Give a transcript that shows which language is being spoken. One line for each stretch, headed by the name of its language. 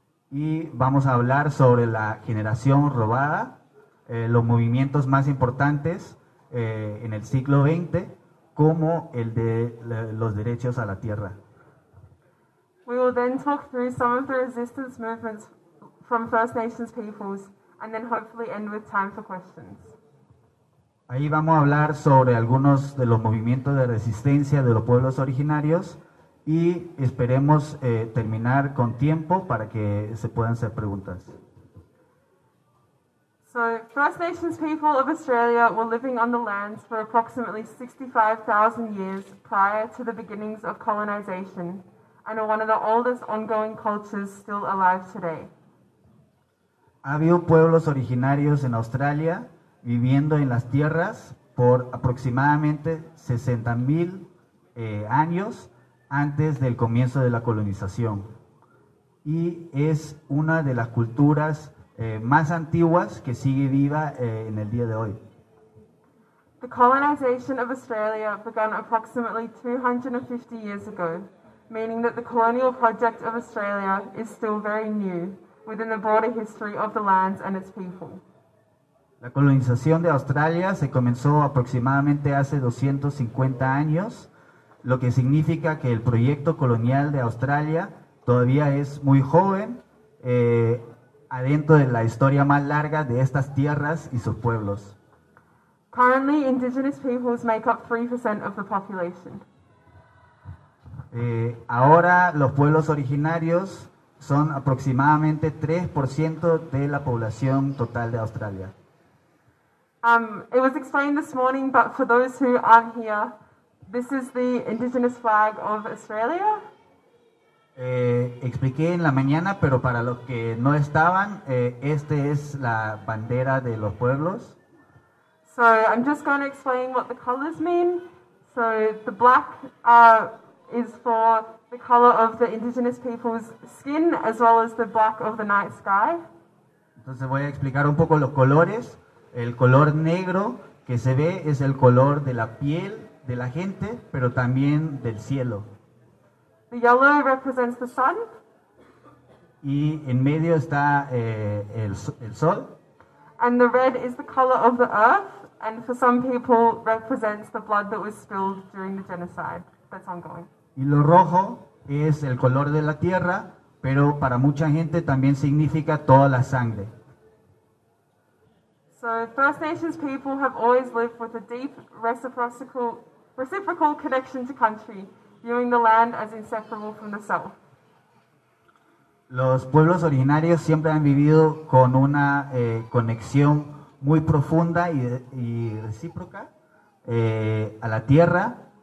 Spanish: Y vamos a hablar sobre la generación robada, los movimientos más importantes en el siglo XX, como el de los derechos a la tierra.
English: We will then talk through some of the resistance movements from First Nations peoples, and then hopefully end with time for questions.
Spanish: Ahí vamos a hablar sobre algunos de los movimientos de resistencia de los pueblos originarios, y esperemos terminar con tiempo para que se puedan hacer preguntas.
English: So, First Nations people of Australia were living on the lands for approximately 65,000 years prior to the beginnings of colonization, and are one of the oldest ongoing cultures still alive today.
Spanish: Había pueblos originarios en Australia viviendo en las tierras por aproximadamente 60,000 años antes del comienzo de la colonización. Y es una de las culturas más antiguas que sigue viva en el día de hoy.
English: The colonization of Australia began approximately 250 years ago, meaning that the colonial project of Australia is still very new within the broader history of the lands and its people.
Spanish: La colonización de Australia se comenzó aproximadamente hace 250 años, lo que significa que el proyecto colonial de Australia todavía es muy joven adentro de la historia más larga de estas tierras y sus pueblos.
English: Currently, indigenous peoples make up 3% of the population.
Spanish: Ahora los pueblos originarios son aproximadamente 3% de la población total de Australia.
English: It was explained this morning, but for those who aren't here, this is the indigenous flag of Australia.
Spanish: Expliqué en la mañana, pero para los que no estaban, este es la bandera de los pueblos.
English: So I'm just going to explain what the colors mean. So the black is for the color of the indigenous people's skin, as well as the black of the night sky.
Spanish: Entonces voy a explicar un poco los colores. El color negro que se ve es el color de la piel de la gente, pero también del cielo.
English: The yellow represents the sun.
Spanish: Y en medio está el sol.
English: And the red is the color of the earth, and for some people represents the blood that was spilled during the genocide that's ongoing.
Spanish: Y lo rojo es el color de la tierra, pero para mucha gente también significa toda la sangre.
English: So First Nations people have always lived with a deep reciprocal connection to country, viewing the land as inseparable from the self.
Spanish: Los pueblos originarios siempre han vivido con una conexión muy profunda y recíproca a la tierra.